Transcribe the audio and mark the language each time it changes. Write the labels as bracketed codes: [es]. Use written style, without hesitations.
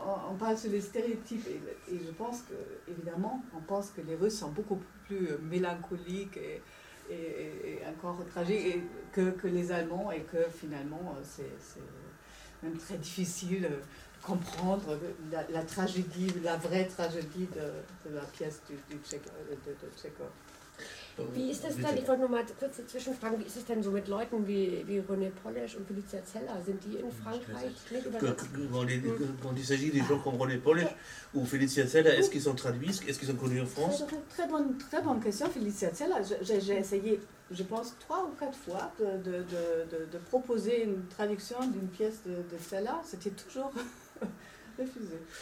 [fr] On parle sur les stéréotypes et je pense que, évidemment, on pense que les Russes sont beaucoup plus mélancoliques et encore tragiques que les Allemands, et que finalement c'est même très difficile de comprendre la tragédie, la vraie tragédie de la pièce de Tchekhov. [de] Wie ist das denn, ich wollte nur mal kurz dazwischen fragen, wie ist es denn so mit Leuten wie René Polesch und Felicia Zeller? Sind die in Frankreich [fr] Quand il s'agit des gens comme René Polesch ou Felicia Zeller, est-ce qu'ils sont traduits? Est-ce qu'ils sont connus en France? Très bonne question, Felicia Zeller. J'ai essayé, je pense, 3 ou 4 fois de proposer une traduction d'une pièce de Zeller. C'était toujours refusé.